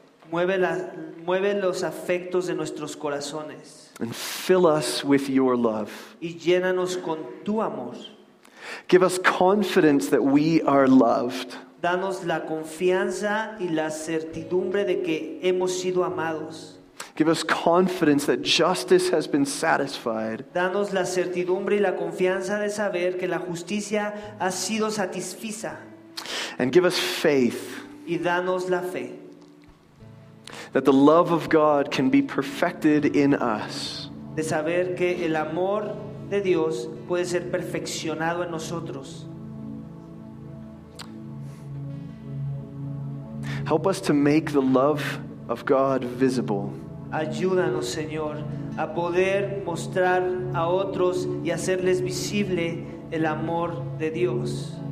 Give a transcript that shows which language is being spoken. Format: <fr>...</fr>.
<es>Mueve los afectos de nuestros corazones.</es> <en>And fill us with your love.</en> <es>Y llénanos con tu amor.</es> <en>Give us confidence that we are loved.</en> <es>Danos la confianza y la certidumbre de que hemos sido amados.</es> <en>Give us confidence that justice has been satisfied.</en> <es>Danos la certidumbre y la confianza de saber que la justicia ha sido satisfecha.</es> <en>And give us faith.</en> <es>Y danos la fe.</es> <en>That the love of God can be perfected in us.</en> <es>De saber que el amor de Dios puede ser perfeccionado en nosotros.</es> <en>Help us to make the love of God visible.</en> <es>Ayúdanos, Señor, a poder mostrar a otros y hacerles visible el amor de Dios.</es>